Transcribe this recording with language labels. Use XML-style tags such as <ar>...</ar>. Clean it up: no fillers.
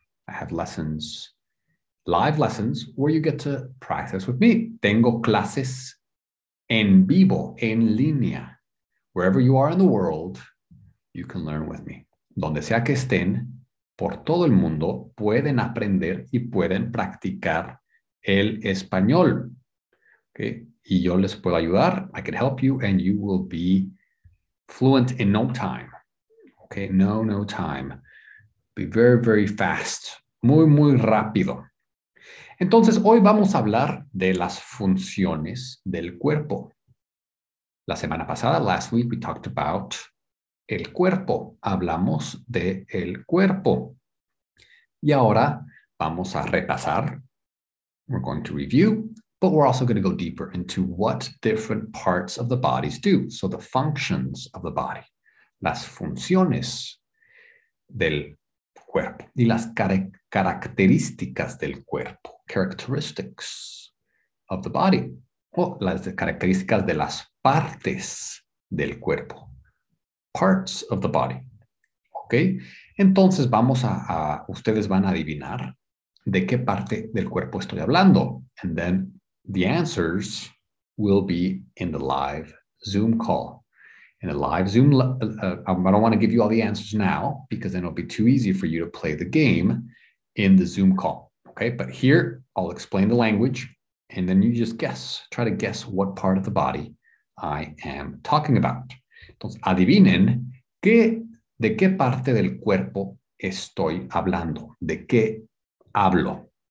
<en>I have lessons, live lessons, where you get to practice with me.</en> <es>Tengo clases en vivo, en línea.</es> <en>Wherever you are in the world, you can learn with me.</en> <es>Donde sea que estén, por todo el mundo, pueden aprender y pueden practicar el español. Okay? Y yo les puedo ayudar.</es> <en>I can help you and you will be fluent in no time. Okay? No time. Be very, very fast.</en> <es>Muy, muy rápido. Entonces, hoy vamos a hablar de las funciones del cuerpo. La semana pasada,</es> <en>last week, we talked about el cuerpo.</en> <es>Hablamos de el cuerpo. Y ahora vamos a repasar.</es> <en>We're going to review, but we're also going to go deeper into what different parts of the bodies do. So the functions of the body.</en> <es>Las funciones del cuerpo y las características del cuerpo.</es> <en>Characteristics of the body.</en> <es>O las características de las partes del cuerpo.</es> <en>Parts of the body.</en> <es>¿Ok? Entonces vamos a ustedes van a adivinar de qué parte del cuerpo estoy hablando.</es> <en>And then the answers will be in the live Zoom call. In a live Zoom, I don't want to give you all the answers now because then it'll be too easy for you to play the game in the Zoom call. Okay, but here I'll explain the language and then you just guess, try to guess what part of the body I am talking about.</en> <es>Entonces, adivinen de qué parte del cuerpo estoy hablando, de qué hablo.</es>